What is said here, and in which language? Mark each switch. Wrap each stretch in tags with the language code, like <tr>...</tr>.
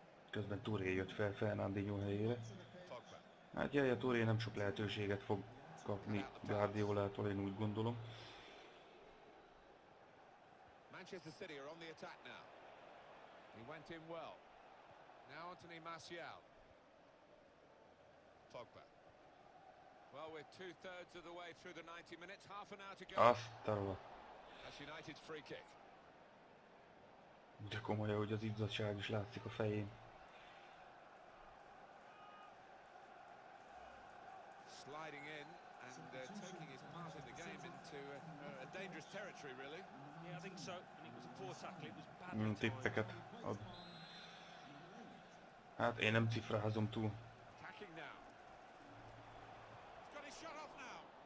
<hu>Közben Touré jött fel Fernandinho helyére. Hát jaj, a Touré nem sok lehetőséget fog kapni Guardiolától, én úgy gondolom.</hu> <en>Manchester City are on the attack now. He went in well. Now Anthony Martial. Pogba. Well, we're two thirds of the way through the 90 minutes, half an hour to go.</en> <hu>Asztalva.</hu> <en>That's United's free kick.</en> <hu>De komolyan, hogy az izzadság is látszik a fején.</hu> <en>Sliding in and taking his part in the game into a dangerous territory, really. Yeah, I think so. And it was a poor tackle. It was bad.</en> <hu>Tippeket ad. Hát én nem cifrázom túl.</hu> <en>Attacking now. He's got his shot off now.</en>